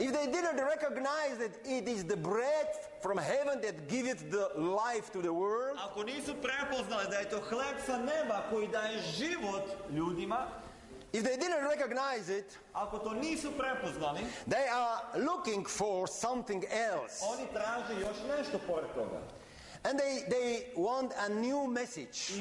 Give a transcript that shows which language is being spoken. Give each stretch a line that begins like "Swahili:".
English: If they didn't recognize that it is the bread from heaven that giveth the life to the world.
Serbian: Ako nisu prepoznali da je to hleb sa neba koji daje život.
English: If they didn't recognize it,
Serbian: ako to nisu prepoznali,
English: they are looking for something else.
Serbian: Oni traže još nešto pored toga.
English: And they want a new message.